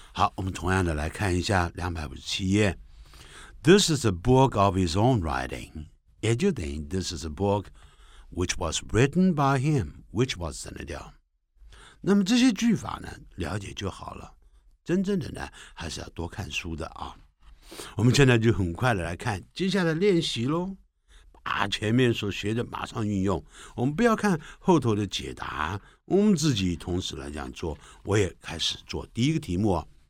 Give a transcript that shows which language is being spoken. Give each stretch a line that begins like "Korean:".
Chinese: 好，我们同样的来看一下257页。
English: This is a book of his own writing,
Chinese: 也就等于
English: This is a book which was written by him, which was
Chinese: 省得掉。那么这些句法呢了解就好了，真正的呢还是要多看书的啊。我们现在就很快的来看接下来练习咯，把前面所学的马上运用，我们不要看后头的解答，我们自己同时来讲做。我也开始做第一个题目，